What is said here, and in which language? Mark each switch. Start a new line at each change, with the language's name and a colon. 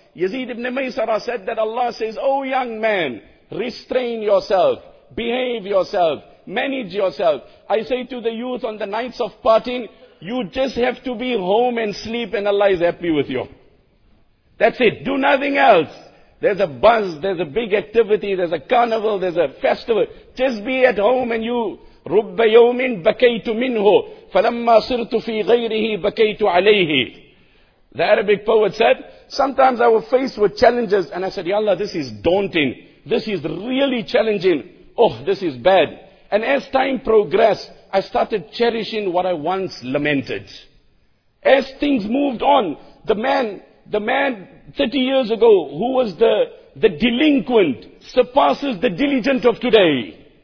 English: Yazid ibn Maysara said that Allah says, O young man, restrain yourself, behave yourself, manage yourself. I say to the youth on the nights of parting, you just have to be home and sleep and Allah is happy with you. That's it. Do nothing else. There's a buzz, there's a big activity, there's a carnival, there's a festival. Just be at home and you,
Arabic: رُبَّ يَوْمٍ بَكَيْتُ مِنْهُ فَلَمَّا صِرْتُ فِي غَيْرِهِ بَكَيْتُ عَلَيْهِ.
English: The Arabic poet said, sometimes I was faced with challenges and I said, Ya Allah, this is daunting. This is really challenging. Oh, this is bad. And as time progressed, I started cherishing what I once lamented. As things moved on, the man 30 years ago, who was the delinquent, surpasses the diligent of today.